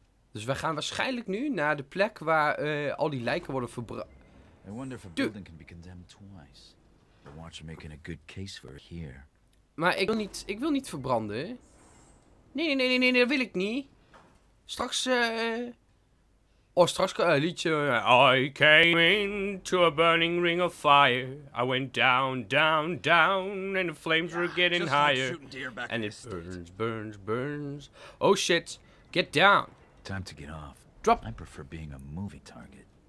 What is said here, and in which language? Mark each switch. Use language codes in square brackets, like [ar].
[nl] Dus we gaan waarschijnlijk nu naar de plek waar al die lijken worden verbrand. [en] I wonder if a building can be condemned twice. The watcher making a good case for here. [nl] Maar ik wil niet verbranden. Nee, dat wil ik niet. Straks, Oh, straks kan een liedje... [en] I came into a burning ring of fire. I went down, down, down. And the flames were getting higher. And it burns, burns, burns. Oh shit, get down. Time to get off. Drop. I prefer being a movie target.